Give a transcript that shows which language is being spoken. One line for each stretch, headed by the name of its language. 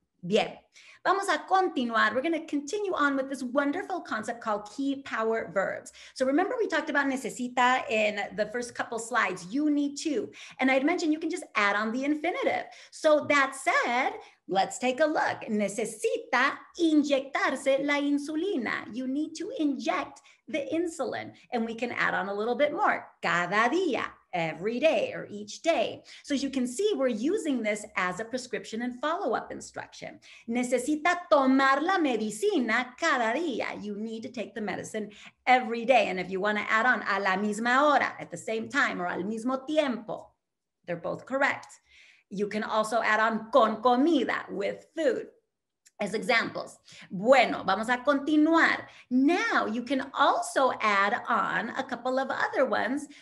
Spanish: Bien, vamos a continuar.
English: We're going to continue on with this wonderful concept called key power verbs. So remember we talked about necesita in the first couple slides. You need to. And I'd mentioned you can just add on the infinitive. So that said, let's take a look.
Spanish: Necesita inyectarse la insulina.
English: You need to inject the insulin. And we can add on a little bit more.
Spanish: Cada día.
English: Every day or each day. So as you can see, we're using this as a prescription and follow-up instruction.
Spanish: Necesita tomar la medicina cada día.
English: You need to take the medicine every day. And if you want to add on
Spanish: a la misma hora,
English: at the same time, or
Spanish: al mismo tiempo,
English: they're both correct. You can also add on
Spanish: con comida,
English: with food. As examples.
Spanish: Bueno, vamos a continuar.
English: Now you can also add on a couple of other ones.